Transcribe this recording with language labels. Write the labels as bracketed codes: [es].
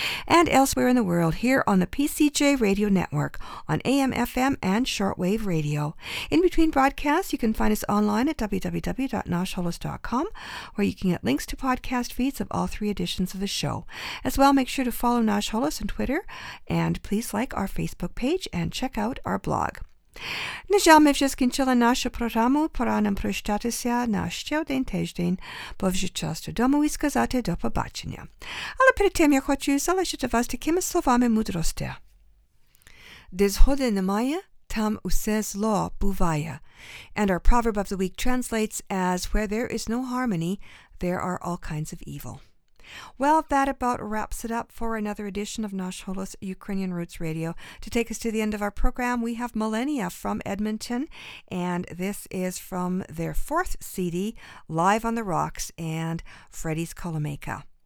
[en] And elsewhere in the world, here on the PCJ Radio Network on AM, FM, and shortwave radio. In between broadcasts, you can find us online at www.noshholos.com, where you can get links to podcast feeds of all three editions of the show. As well, make sure to follow Nash Holos on Twitter, and please like our Facebook page and check out our blog. [uk] Нежал ми вже скінчили нашу програму. Пора нам прощатися на ще один тиждень, бо вже час додому і сказати до побачення. Але перед тим я хочу залишити вас такими словами мудрості. Де згоди немає, там усе зло буває. [en] And our proverb of the week translates as, where there is no harmony, there are all kinds of evil. Well, that about wraps it up for another edition of Nash Holos Ukrainian Roots Radio. To take us to the end of our program, we have Millennia from Edmonton, and this is from their fourth CD, Live on the Rocks and Freddy's Kolomeka.